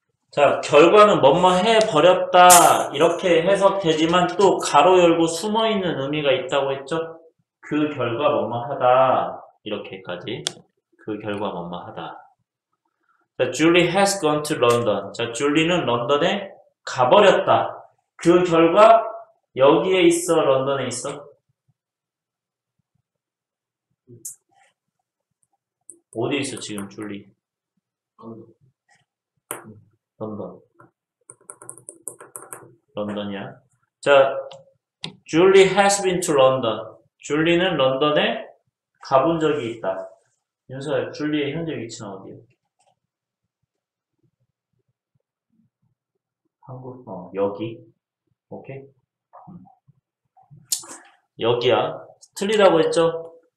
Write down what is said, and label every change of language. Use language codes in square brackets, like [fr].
[ko] 자, 결과는 뭐뭐 해버렸다 이렇게 해석되지만 또 가로 열고 숨어있는 의미가 있다고 했죠? 그 결과 뭐뭐 하다 이렇게까지 그 결과 뭐뭐 하다. [en] 자, Julie has gone to London. [ko] 자, Julie는 런던에 가버렸다. 그 결과 여기에 있어 런던에 있어? 어디 있어 지금 Julie? 런던. 런던이야. [en] 자, Julie has been to London. [ko] Julie는 런던에 가본 적이 있다. 윤서야, Julie의 현재 위치는 어디야? 한국, 여기. 오케이. 여기야. 틀리다고 했죠?